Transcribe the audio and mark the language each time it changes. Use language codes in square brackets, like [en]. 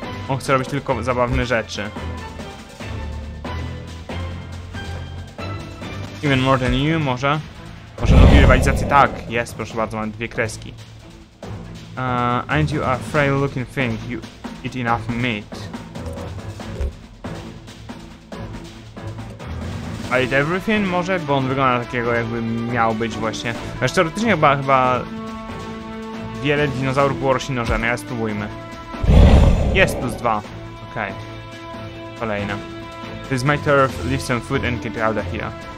[pl] On chce robić tylko zabawne rzeczy. [en] Even more than you, [pl] może? Może lubi rywalizację? Tak, jest, proszę bardzo, mam dwie kreski. [en] And you are a frail looking thing, you eat enough meat. I eat everything, [pl] może, bo on wygląda takiego, jakby miał być właśnie. Zresztą teoretycznie chyba wiele dinozaurów było roślinożerne, ale spróbujmy. Jest plus dwa. Okej. Okay. Kolejne. [en] This is my turf, leave some food and get out of here.